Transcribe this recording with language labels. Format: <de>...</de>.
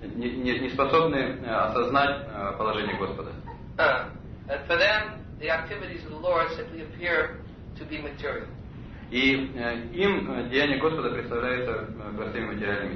<en>the Lord.</en> <ru>Не способны осознать положение Господа.</ru> <en>And for them, the activities of the Lord simply appear to be material.</en> <ru>И им деяния Господа представляются простыми материальными</ru>